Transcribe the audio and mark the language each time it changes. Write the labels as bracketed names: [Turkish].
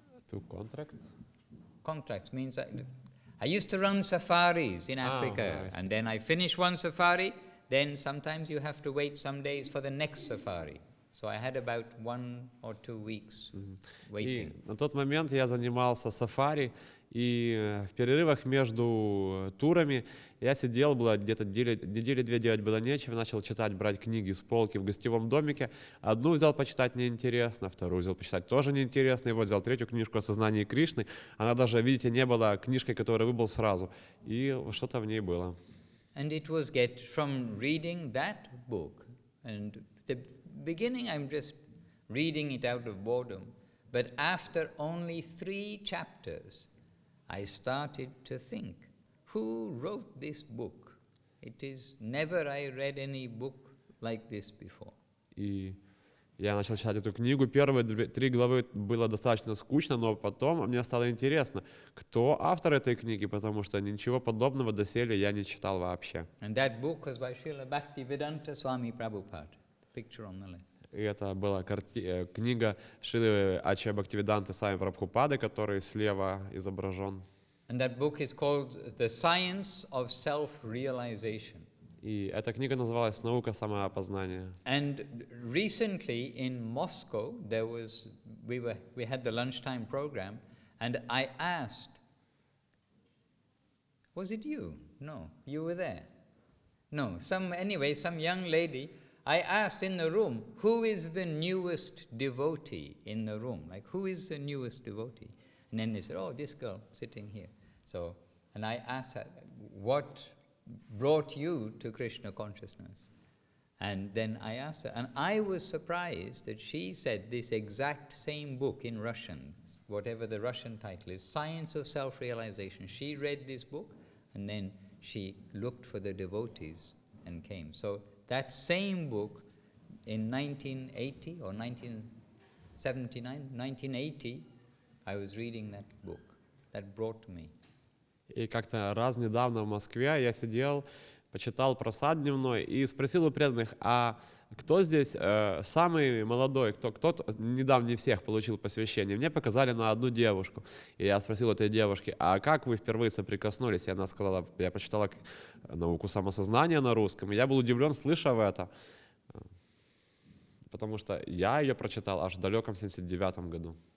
[English] Two contracts? Contracts means I used to run safaris in Africa, and then I finish one safari, then sometimes you have to wait some days for the next safari. So I had about 1 or 2 weeks waiting. [Russian] И на тот момент я занимался сафари, и в перерывах между турами я сидел, было где-то недели две делать было нечего, начал читать, брать книги с полки в гостевом домике. Одну взял почитать неинтересно, вторую взял почитать тоже неинтересно, и вот взял третью книжку о сознании Кришны. Она даже, видите, не была книжкой, которую выбрал сразу. И что-то в ней было. [English] And it was get from reading that book, and the beginning I'm just reading it out of boredom, but after only 3 chapters I started to think, who wrote this book? It is never I read any book like this before. [Russian] И я начал читать эту книгу, первые 3 главы было достаточно скучно, но потом мне стало интересно, кто автор этой книги, потому что ничего подобного доселе я не читал вообще. [English] And that book was by Srila Bhaktivedanta Swami Prabhupada. Picture on the left. [Russian] И это была книга Шрилы Ачья Бхактивиданты Свами Прабхупады, который слева изображен. [English] And that book is called The Science of Self-Realization. [Russian] И эта книга называлась «Наука самоопознания». [English] And recently in Moscow we had the lunchtime program, and I asked, was it you? No, you were there. No, some young lady. I asked in the room, who is the newest devotee in the room? Like, who is the newest devotee? And then they said, oh, this girl sitting here. So, and I asked her, what brought you to Krishna consciousness? And then I asked her, and I was surprised that she said this exact same book in Russian, whatever the Russian title is, Science of Self-Realization. She read this book, and then she looked for the devotees and came. So, that same book in 1980 or 1980, I was reading that book. That brought me. [Russian] И как-то раз недавно в Москве я сидел, почитал просад дневной и спросил у преданных, а кто здесь самый молодой, кто недавний всех получил посвящение? Мне показали на одну девушку. И я спросил у этой девушки, а как вы впервые соприкоснулись? И она сказала, я почитала науку самосознания на русском. И я был удивлен, слышав это, потому что я ее прочитал аж в далеком 79-м году.